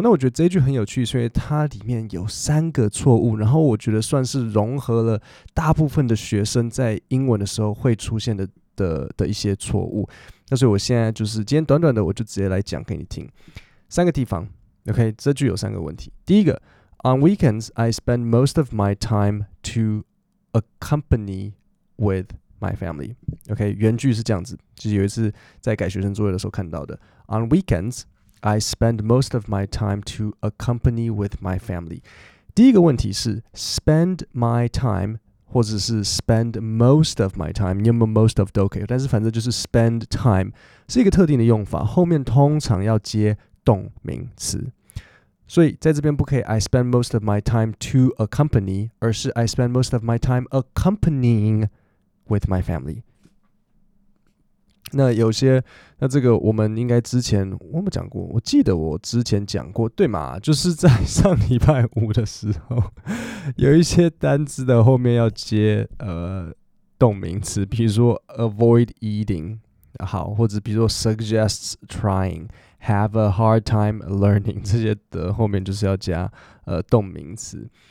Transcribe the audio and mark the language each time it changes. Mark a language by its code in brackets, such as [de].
[zh] 那我觉得这句很有趣，所以它里面有三个错误，然后我觉得算是融合了大部分的学生在英文的时候会出现 的一些错误。那所以我现在就是今天短短的，我就直接来讲给你听三个地方。 OK， 这句有三个问题。第一个， [en] On weekends I spend most of my time toaccompany with my family. [zh] OK， 原句是这样子，就是有一次在改学生作业的时候看到的。 [en] On weekends, I spend most of my time to accompany with my family. [zh] 第一个问题是 [en] spend my time， [zh] 或者是 [en] spend most of my time， [zh] 你有没有 most of 都可以，但是反正就是 [en] spend time [zh] 是一个特定的用法，后面通常要接动名词。所以在这边不可以 [en] I spend most of my time to accompany， [zh] 而是 [en] I spend most of my time accompanying with my family。 [zh] 那有些，那这个我们应该之前我们讲过，我记得我之前讲过对嘛，就是在上礼拜五的时候有一些单字的后面要接动名词，比如说 [en] avoid eating， [zh] 好，或者比如说 [en] suggests tryingHave a hard time learning， [zh] 这些的后面就是要加动名词。